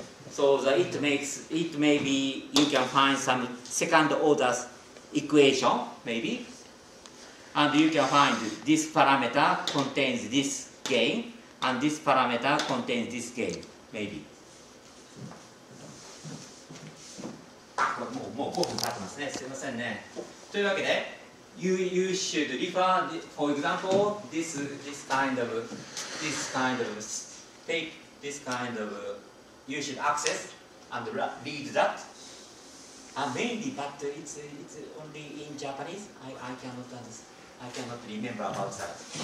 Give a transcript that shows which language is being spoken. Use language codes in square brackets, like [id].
[en] So that it makes it maybe you can find some second order equation maybe, and you can find this parameter contains this gain and this parameter contains this gain maybe. [ja] もう5分経ってますね。すいませんね。というわけで、 [en] you should refer, for example, this kind of you should access and read that. Mainly, but it's only in Japanese. I cannot understand. I cannot remember about that.